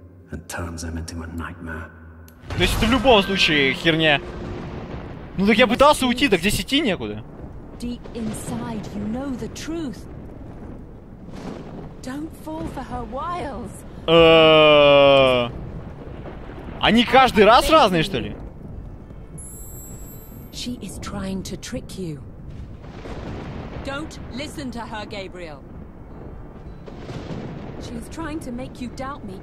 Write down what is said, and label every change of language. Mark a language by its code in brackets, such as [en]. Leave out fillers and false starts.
[ru] То есть это в любом случае херня. Ну так я пытался уйти, так здесь идти некуда. [en] Deep inside, you know the truth. Don't fall for her wiles. [ru] Они каждый раз разные, что ли? [en] She is trying to trick you. Don't listen to her, Gabriel. She is trying to make you doubt me.